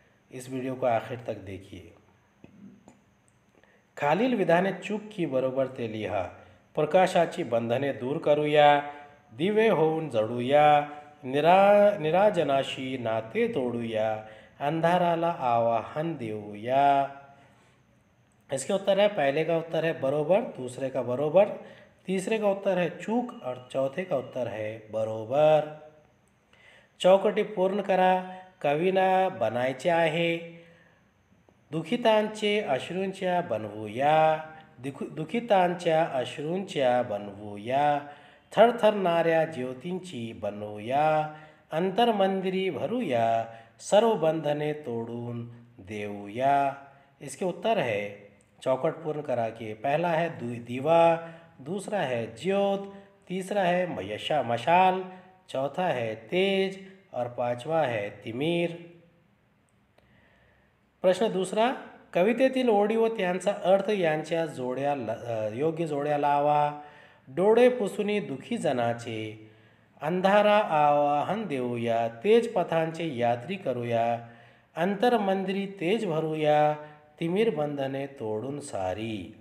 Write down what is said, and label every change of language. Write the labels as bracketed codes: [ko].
[hi] इस वीडियो को आखिर तक देखिए। [mr] खालील विधाने चूक की बरोबर ते लिहा, प्रकाशाची बंधने दूर करूया, दिवे होऊन जडूया, निराजनाशी नाते तोडूया, अंधाराला आवाहन देऊया। [hi] इसके उत्तर है, पहले का उत्तर है बरोबर, दूसरे का बरोबर, तीसरे का उत्तर है चूक और चौथे का उत्तर है बरोबर। [mr] चौकटी पूर्ण करा कविना बनायचे आहे, दुखितांचे अश्रूंच्या बनवूया, दुखितांच्या अश्रूंच्या बनवूया, थरथरणाऱ्या ज्योतींची बनवूया, अंतरमंदिरी भरूया, सर्व बंधने तोडून देऊया। [hi] इसके उत्तर है, [mr] चौकट पूर्ण करा [hi] के, पहला है दीवा, दूसरा है ज्योत, तीसरा है मयशा मशाल, चौथा है तेज और पांचवा है तिमीर। [mr] प्रश्न दूसरा, कवितेतील ओळी व त्यांचा अर्थ यांच्या जोड्या योग्य जोड्या लावा, डोळे पुसुनी दुखी जनाचे अंधारा आवाहन देऊया, तेज पथांचे यात्री करूया, अंतरमंदिरी तेज भरूया, तिमिर बंधने तोडून सारी।